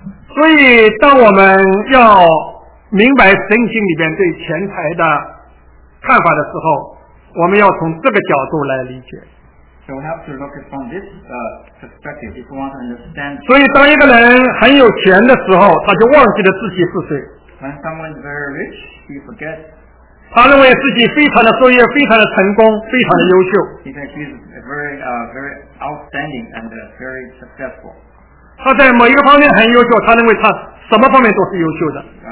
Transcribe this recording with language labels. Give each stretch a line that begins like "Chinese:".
Chinese: 所以当我们要明白圣经里边对钱财的看法的时候，我们要从这个角度来理解。
English: So we have to look from this perspective if we want to understand.
Chinese: 所以当一个人很有钱的时候，他就忘记了自己是谁。
English: When someone is very rich, he forgets.
Chinese: 他认为自己非常的卓越，非常的成功，非常的优秀。
English: He thinks he's very outstanding and very successful.
Chinese: 他在某一个方面很优秀，他认为他什么方面都是优秀的。